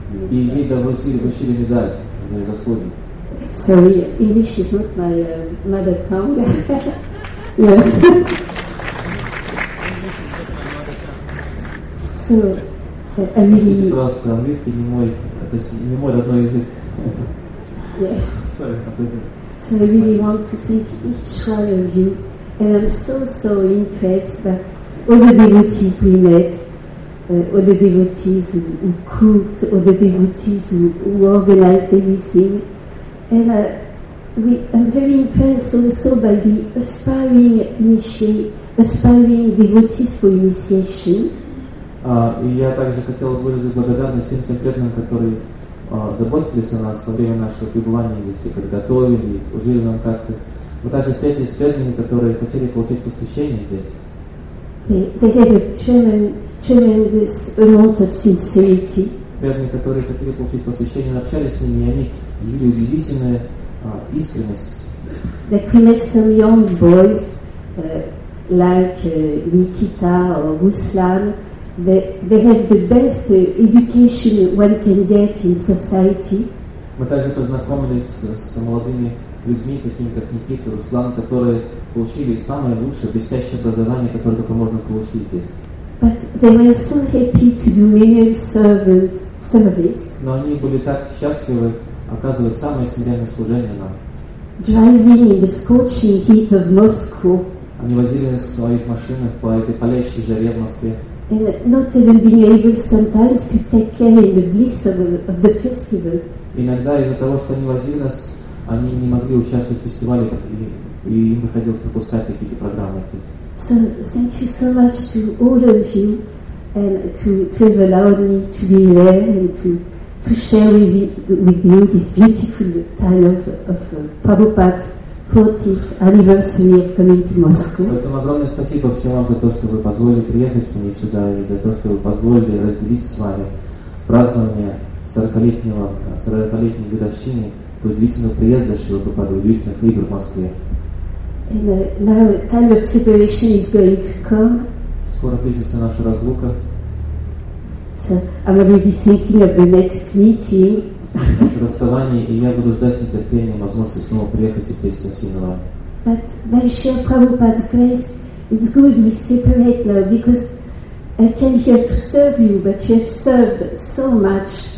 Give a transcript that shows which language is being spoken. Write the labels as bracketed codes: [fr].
[ru] И ей вручили медаль за заслуги. [en] Sorry, English is not my mother tongue. So, [ru] просто английский не мой, то есть не мой родной язык. [en] So I really want to thank each one of you, and I'm so impressed that all the devotees we met, all the devotees who cooked, all the devotees who organized everything. And I'm very impressed also by the aspiring devotees for initiation. [ru] И я также хотела выразить благодарность всем тем преданным, которые заботились о нас во время нашего пребывания здесь, подготовили, служили нам как-то. Мы также встретились с преданными, которые хотели получить посвящение здесь. [en] They had a tremendous amount of sincerity. [ru] Преданные, которые хотели получить посвящение, общались с ними, и они явили удивительную искренность. [en] Like we met some young boys, like Nikita or Ruslan. They have the best education one can get in society. [ru] Мы также познакомились с молодыми людьми, такими как Никита, Руслан, которые получили самое лучшее, блестящее образование, которое только можно получить здесь. [en] But they were so happy to do menial service. [ru] Но они были так счастливы оказывать самое смиренное служение нам. [en] Driving in the scorching heat of Moscow. [ru] Они возили нас в своих машинах по этой палящей жаре в Москве. [en] And not even being able sometimes to take care in the bliss of the festival. [ru] Иногда из-за того, что они возили нас, они не могли участвовать в фестивале, и им приходилось пропускать какие-то программы здесь. [en] So thank you so much to all of you, and to have allowed me to be there and to share with you this beautiful time of Prabhupada's 40th anniversary of coming to Moscow. [ru] Поэтому огромное спасибо всем вам за то, что вы позволили приехать ко мне сюда и за то, что вы позволили разделить с вами празднование 40-летней годовщины того удивительного приезда Шрилы Прабхупады, удивительных игр в Москве. [en] And now time of separation is going to come. [ru] Скоро близится наша разлука. [en] So I'm already thinking of the next meeting. [ru] Расставание, и я буду ждать с нетерпением возможности снова приехать и встретиться с вами. [en] But by Shri Prabhupada's grace, it's good we separate now because I came here to serve you, but you have served so much.